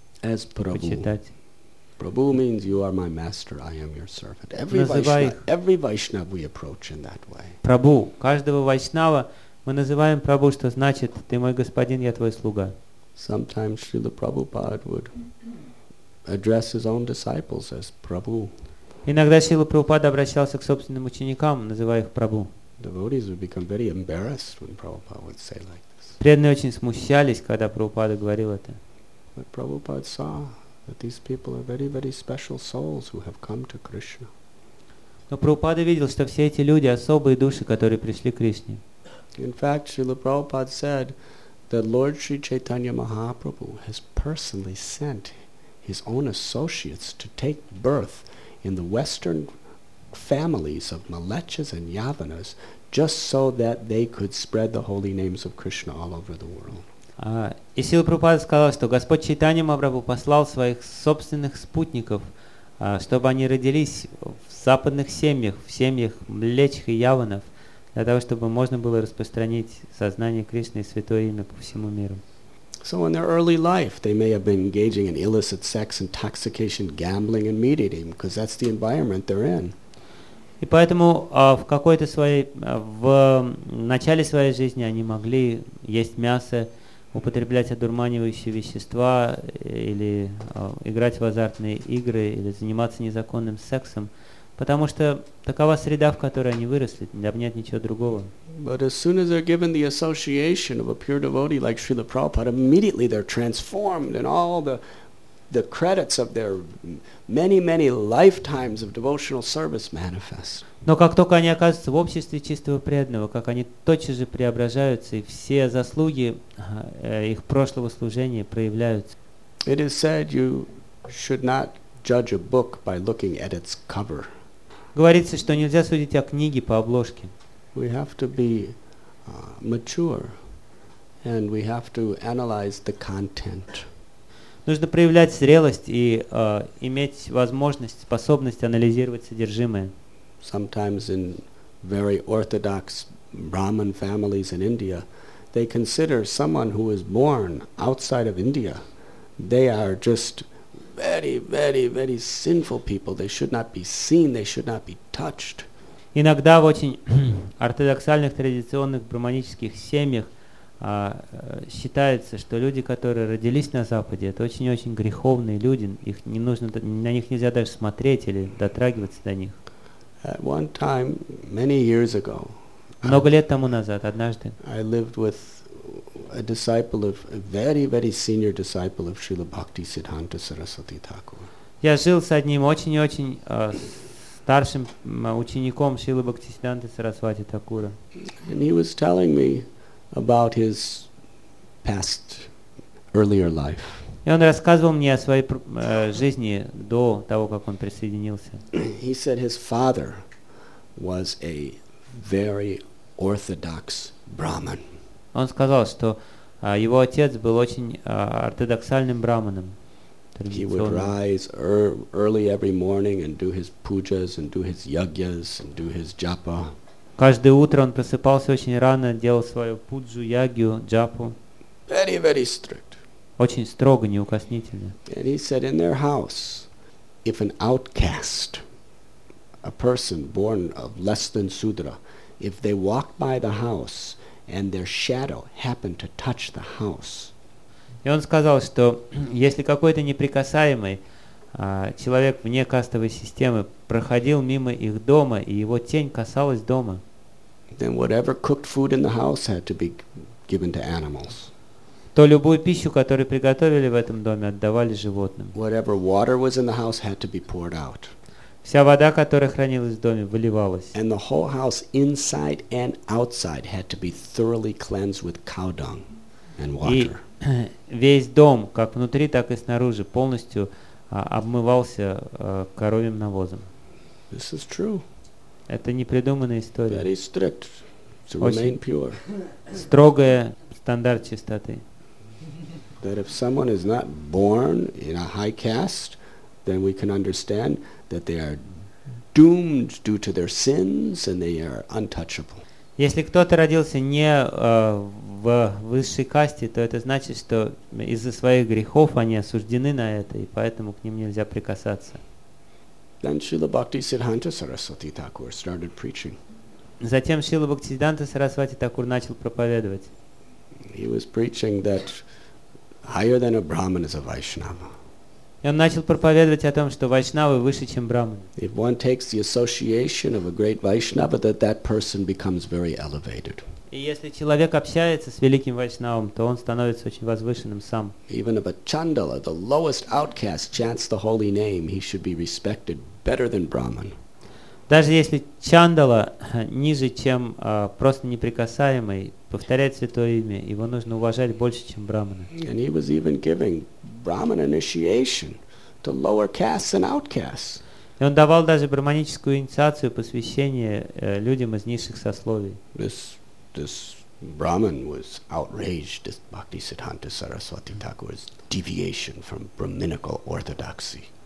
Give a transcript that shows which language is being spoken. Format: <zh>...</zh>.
<en>As Prabhu.</en> <ru>Почитать.</ru> <en>Prabhu means you are my master, I am your servant. Every Vaishnava we approach in that way.</en> <ru>Prabhu, каждого Вайшнава мы называем Прабху, что значит «Ты мой господин, я твой слуга».</ru> <en>Sometimes Srila Prabhupada would address his own disciples as Prabhu.</en> <ru>Иногда Srila Prabhupada обращался к собственным ученикам, называя их Прабху.</ru> <en>Devotees would become very embarrassed when Prabhupada would say like this.</en> <ru>Преданные очень смущались, когда Прабхупада говорил это.</ru> <en>But Prabhupada saw that these people are very, very special souls who have come to Krishna.</en> <ru>Но Прабхупада видел, что все эти люди особые души, которые пришли к Кришне.</ru> <en>In fact, Srila Prabhupada said that Lord Sri Chaitanya Mahaprabhu has personally sent his own associates to take birth in the western families of Malechas and Yavanas just so that they could spread the holy names of Krishna all over the world.</en> <ru>И Сила Прабхупада сказал, что Господь Чайтанья Махапрабху послал своих собственных спутников, чтобы они родились в западных семьях, в семьях Млечх и Яванов, для того, чтобы можно было распространить сознание Кришны и Святое Имя по всему миру.</ru> <en>So in their early life, they may have been engaging in illicit sex, intoxication, gambling, and meat eating, because that's the environment they're in.</en> <ru>И поэтому в какой-то своей, в начале своей жизни они могли есть мясо, употреблять одурманивающие вещества или играть в азартные игры или заниматься незаконным сексом, потому что такова среда, в которой они выросли, для меня нет ничего другого.</ru> <en>But as soon as they're given the association of a pure devotee like Srila Prabhupada, immediately they're transformed and all the credits of their many, many lifetimes of devotional service manifest.</en> <ru>Но как только они оказываются в обществе чистого преданного, как они тотчас же преображаются, и все заслуги их прошлого служения проявляются.</ru> <en>It is said you should not judge a book by looking at its cover.</en> <ru>Говорится, что нельзя судить о книге по обложке.</ru> <en>We have to be mature, and we have to analyze the content.</en> <ru>Нужно проявлять зрелость и иметь возможность, способность анализировать содержимое.</ru> <en>Sometimes in very orthodox Brahmin families in India, they consider someone who is born outside of India, they are just very, very, very sinful people. They should not be seen, they should not be touched.</en> <ru>Иногда в очень ортодоксальных, традиционных брахманических семьях считается, что люди, которые родились на Западе, это очень-очень греховные люди. Их не нужно, на них нельзя даже смотреть или дотрагиваться до них.</ru> <en>At one time, many years ago,</en> <ru>много лет тому назад, однажды,</ru> <en>I lived with a disciple of a very, very senior disciple of Srila Bhakti Siddhanta Saraswati Thakur.</en> <ru>Я жил с одним очень-очень старшим учеником Шрилы Бхактисиддханты Сарасвати Такура.</ru> <en>And he was telling me about his past earlier life.</en> <ru>И он рассказывал мне о своей жизни до того, как он присоединился.</ru> <en>He said his father was a very orthodox Brahmin.</en> <ru>Он сказал, что его отец был очень ортодоксальным браманом.</ru> <en>He would rise early every morning and do his pujas and do his yagyas and do his japa.</en> <ru>Каждое утро он просыпался очень рано, делал свою пуджу, ягью, джапу.</ru> <en>Very, very strict.</en> <ru>Очень строго, неукоснительно.</ru> <en>And he said in their house, if an outcast, a person born of less than sudra, if they walk by the house and their shadow happened to touch the house.</en> <ru>И он сказал, что если какой-то неприкасаемый человек вне кастовой системы проходил мимо их дома, и его тень касалась дома,</ru> <en>then whatever cooked food in the house had to be given to animals.</en> <ru>То любую пищу, которую приготовили в этом доме, отдавали животным.</ru> <en>Whatever water was in the house had to be poured out.</en> <ru>Вся вода, которая хранилась в доме, выливалась.</ru> <en>And the whole house inside and outside had to be thoroughly cleansed with cow dung and water.</en> <ru>И весь дом, как внутри, так и снаружи, полностью обмывался коровьим навозом.</ru> <en>This is true.</en> <ru>Это непридуманная история.</ru> <en>Very strict to remain pure.</en> <ru>Строгая стандарт чистоты.</ru> <en>That if someone is not born in a high caste, then we can understand that they are doomed due to their sins and they are untouchable.</en> <ru>Если кто-то родился не в высшей касте, то это значит, что из-за своих грехов они осуждены на это, и поэтому к ним нельзя прикасаться.</ru> <en>Then Srila Bhakti Siddhanta Saraswati Thakur started preaching.</en> <ru>Затем Srila Bhaktisiddhanta Saraswati Thakur начал проповедовать.</ru> <en>He was preaching that higher than a Brahmin is a Vaishnava.</en> <ru>И он начал проповедовать о том, что Вайшнавы выше, чем Брахманы.</ru> <en>If one takes the association of a great Vaishnava, that person becomes very elevated.</en> <ru>И если человек общается с великим Вайшнавом, то он становится очень возвышенным сам.</ru> <en>Even if a chandala, the lowest outcast, chants the holy name, he should be respected better than Brahman.</en> <ru>Даже если чандала ниже, чем просто неприкасаемый, повторяет святое имя, его нужно уважать больше, чем брахмана.</ru> <en>And he was even giving Brahman initiation to lower castes and outcasts.</en> <ru>И он давал даже брахманическую инициацию, посвящение людям из низших сословий.</ru> <en>This Brahman was outraged, this Bhaktisiddhanta Saraswati Thakur's deviation from Brahminical orthodoxy.</en>